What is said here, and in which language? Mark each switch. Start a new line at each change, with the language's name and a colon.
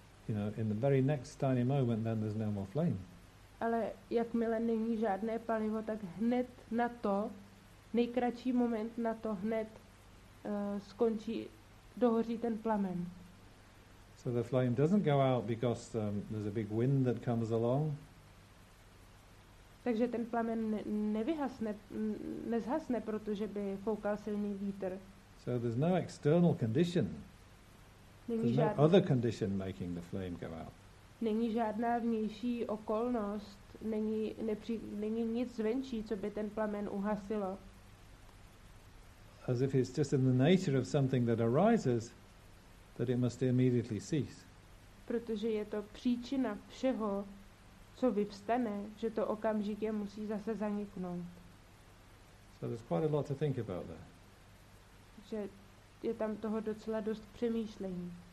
English: you know, in the very next tiny moment, then there's no more flame.
Czech: Ale jakmile není žádné palivo, tak hned na to, nejkratší moment na to hned skončí, dohoří ten plamen.
English: So the flame doesn't go out because there's a big wind that comes along.
Czech: Takže ten plamen nevyhasne, nezhasne, protože by foukal silný vítr.
English: So there's no external condition. There's no other condition making the flame go out.
Czech: Není žádná vnější okolnost, není nic zvenčí, co by ten plamen uhasilo.
English: As if it's just in the nature of something that arises, that it must immediately cease.
Czech: Protože je to příčina všeho, co vyvstane, že to okamžitě musí zase zaniknout.
English: So there's quite a lot to think about there.
Czech: Že je tam toho docela dost přemýšlení.